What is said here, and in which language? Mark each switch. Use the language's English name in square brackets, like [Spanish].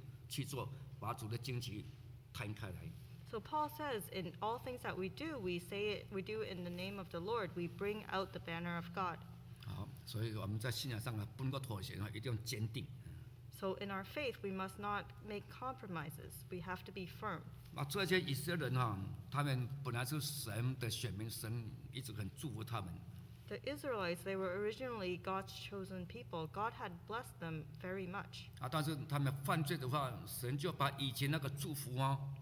[Chinese] 啊，所以保罗告诉我们，我们什么事情凡事都要奉主的名去做，把主的旌旗摊开来。 [English] So Paul says, in all things that we do, we say it, we do in the name of the Lord. We bring out the banner of God. [Chinese] 好，所以我们在信仰上啊，不能够妥协啊，一定要坚定。 [English] So in our faith, we must not make compromises. We have to be firm. [Chinese] 啊，这些以色列人啊，他们本来是神的选民，神一直很祝福他们。 [English] The Israelites, they were originally God's chosen people. God had blessed them very much. [Chinese] 啊，但是他们犯罪的话，神就把以前那个祝福啊。